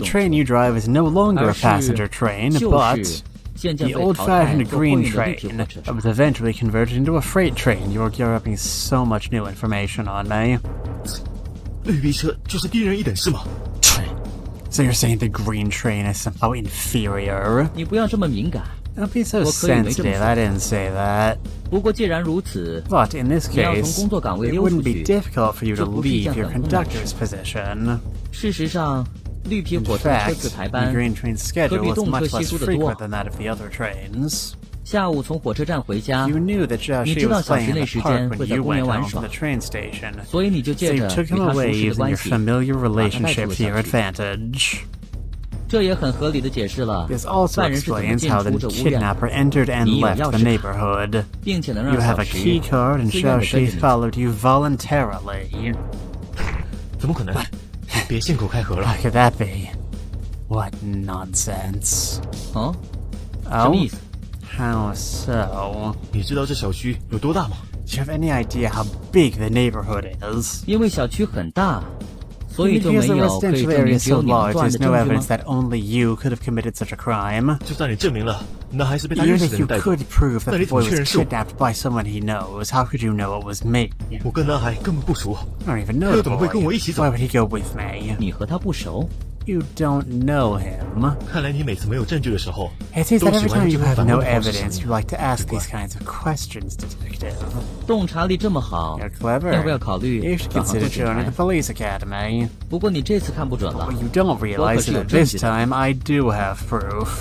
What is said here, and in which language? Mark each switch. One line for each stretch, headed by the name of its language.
English: The train you drive is no longer a passenger train, but the old-fashioned green train that was eventually converted into a freight train. You're giving so much new information on me.
Chinese: 绿皮车就是低人一等是吗
English: So you're saying the green train is somehow inferior?
Chinese: 你不要这么敏感
English: Don't be so sensitive, I didn't say that
Chinese: 不过既然如此
English: But in this case,
Chinese: 你要从工作岗位溜出去
English: It wouldn't be difficult for you to leave your conductor's position
Chinese: 事实上绿皮火车车次排班
English: The green train's schedule was much less frequent than that of the other trains
Chinese: 下午从火车站回家
English: you knew that
Chinese: 你知道小时那时间会在公园玩耍
English: the train station,
Chinese: 所以你就借着与他熟悉的关系把他带出了小区这也很合理地解释了犯人是怎么进出的屋檐你有钥匙卡并且能让小徐自愿地跟着你怎么可能别信口开河了
English: How could that be? What nonsense、
Chinese: 什么意思
English: How so?
Chinese: 你知道这小区有多大吗
English: Do you have any idea how big the neighborhood is?
Chinese: 因为小区很大所以就没有可以证明只有你们作案的证据吗
English: There's no evidence that only you could have committed such a crime.
Chinese: 就算你证明了那还是被他认识的人带走
English: Even if you could prove that the boy was kidnapped by someone he knows, how could you know it was me?
Chinese: 我跟男孩根本不熟
English: I don't even know the boy.
Chinese: 他又怎么会跟我一起走
English: Why would he go with me?
Chinese: 你和他不熟
English: You don't know him.
Chinese: 看来你每次没有证据的时候
English: It seems that every time you have no evidence, you like to ask these kinds of questions, detective.
Chinese: 洞察力这么好
English: You're clever.
Chinese: 要不要考虑
English: You should consider joining the police academy.
Chinese: 不过你这次看不准了
English: But you don't realize that this time I do have proof.